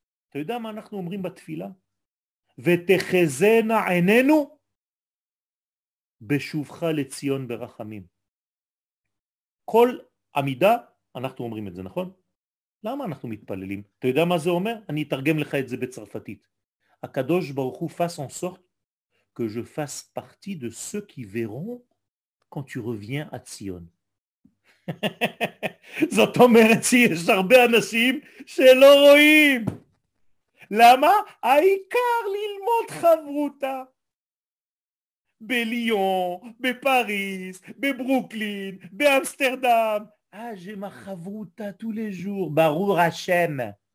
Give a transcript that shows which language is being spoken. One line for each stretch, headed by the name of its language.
Hebrew: אתה יודע מה אנחנו אומרים בתפילה? ותחזנה עינינו בשובך לציון ברחמים. כל עמידה, אנחנו אומרים את זה, נכון? למה אנחנו מתפללים? אתה יודע מה זה אומר? אני אתרגם לך את זה בצרפתית.
French: הקדוש ברוך הוא fasse en sorte que je fasse partie de ceux qui verront quand tu reviens à Zion.
Hebrew: זאת אומרת שיש הרבה אנשים שלא רואים. למה? העיקר ללמוד חברותה. בליון, בפריז, בברוקלין, באמסטרדם.
French: j'ai ma chavruta tous les jours, Baruch Hashem.